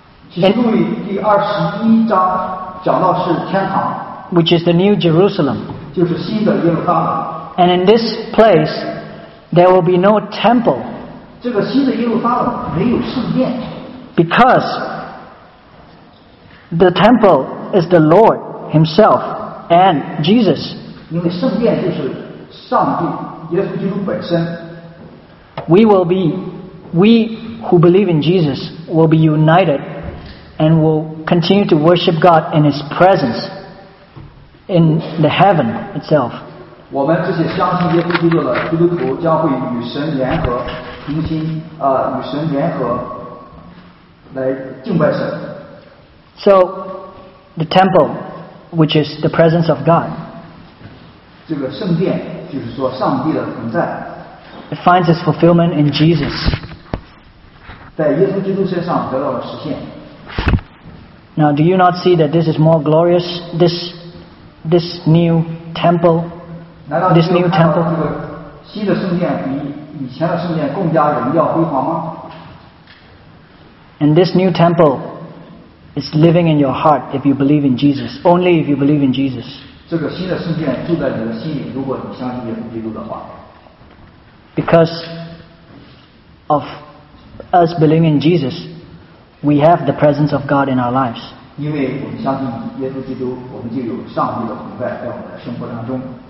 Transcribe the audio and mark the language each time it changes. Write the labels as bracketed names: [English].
[Chinese] 启示录里第二十一章讲到是天堂 [English] ，which is the New Jerusalem， [Chinese] 就是新的耶路撒冷。 [English] And in this place, there will be no temple. [Chinese] 这个新的耶路撒冷没有圣殿 [English] ，because the temple is the Lord himself and Jesus. [Chinese] 因为圣殿就是上帝耶稣基督本身。 [English] We who believe in Jesus will be united and will continue to worship God in his presence in the heaven itself. [Chinese] 我们这些相信耶稣基督的基督徒将会与神联合同心与神联合来敬拜神。 [English] So, the temple, which is the presence of God, [Chinese] 这个圣殿就是说上帝的存在。 [English] It finds its fulfillment in Jesus. [Chinese] 在耶稣基督身上得到了实现。 [English] Now, do you not see that this is more glorious? This new temple, [Chinese] 难道 [English] this new temple, [Chinese] 这个新的圣殿比以前的圣殿更加荣耀辉煌吗？ [English] And this new temple. It's living in your heart if you believe in Jesus. Only if you believe in Jesus. [Chinese] 这个新的圣殿住在你的心里，如果你相信耶稣基督的话。 Because of us believing in Jesus, we have the presence of God in our lives. 因为我们相信耶稣基督，我们就有上帝的同在在我们的生活当中。